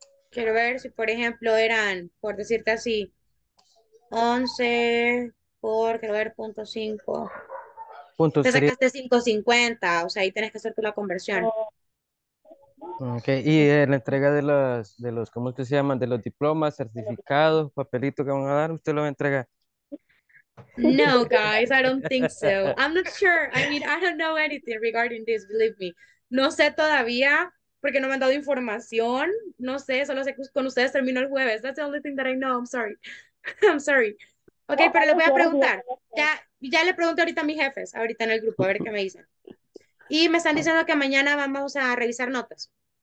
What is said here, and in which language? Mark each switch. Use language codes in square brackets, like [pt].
[es] Quiero ver si, por ejemplo, eran, por decirte así, 11 por, quiero ver, punto 5. Punto te sería... sacaste 5.50, o sea, ahí tienes que hacer tú la conversión. Ok, y en la entrega de los, ¿cómo que se llaman? De los diplomas, certificados, papelitos que van a dar, ¿usted lo va a entregar? [en] No, guys, I don't think so. I'm not sure. I mean, I don't know anything regarding this, believe me. [es] No sé todavía, porque no me han dado información. No sé, solo sé que con ustedes termino el jueves. [en] That's the only thing that I know. I'm sorry. [es] Ok, pero les voy a preguntar. Ya le pregunto ahorita a mis jefes, ahorita en el grupo, a ver qué me dicen. Y me están diciendo que mañana vamos a revisar notas.